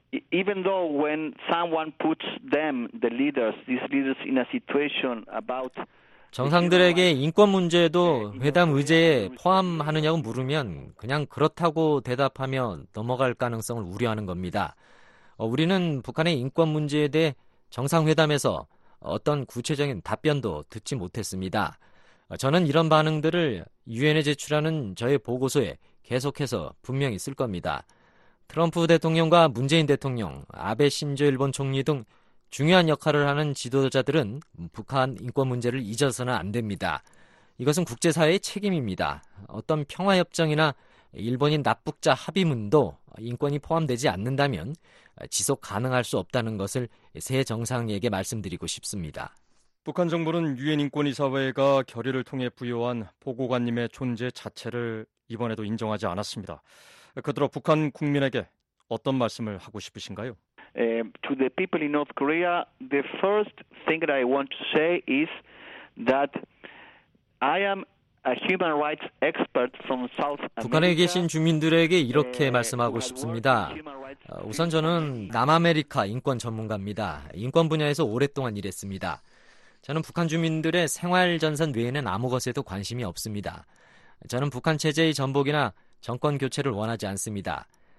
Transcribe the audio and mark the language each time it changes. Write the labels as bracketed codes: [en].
[en] Even though when someone puts them, the leaders, these leaders in a situation about [ko] 정상들에게 인권 문제도 회담 의제에 포함하느냐고 물으면 그냥 그렇다고 대답하며 넘어갈 가능성을 우려하는 겁니다. 우리는 북한의 인권 문제에 대해 정상회담에서 어떤 구체적인 답변도 듣지 못했습니다. 저는 이런 반응들을 유엔에 제출하는 저의 보고서에 계속해서 분명히 쓸 겁니다. 트럼프 대통령과 문재인 대통령, 아베 신조 일본 총리 등 중요한 역할을 하는 지도자들은 북한 인권 문제를 잊어서는 안 됩니다. 이것은 국제사회의 책임입니다. 어떤 평화협정이나 일본인 납북자 합의문도 인권이 포함되지 않는다면 지속 가능할 수 없다는 것을 새 정상에게 말씀드리고 싶습니다. 북한 정부는 유엔 인권이사회가 결의를 통해 부여한 보고관님의 존재 자체를 이번에도 인정하지 않았습니다. 그들어 북한 국민에게 어떤 말씀을 하고 싶으신가요? [en] To the people in North Korea, the first thing that I want to say is that I am a human rights expert from South America. [ko] 북한에 계신 주민들에게 이렇게 말씀하고 싶습니다. 우선 저는 남아메리카 인권 전문가입니다. 인권 분야에서 오랫동안 일했습니다. 저는 북한 주민들의 생활 전선 외에는 아무것에도 관심이 없습니다. 저는 북한 체제의 전복이나 정권 교체를 원하지 않습니다.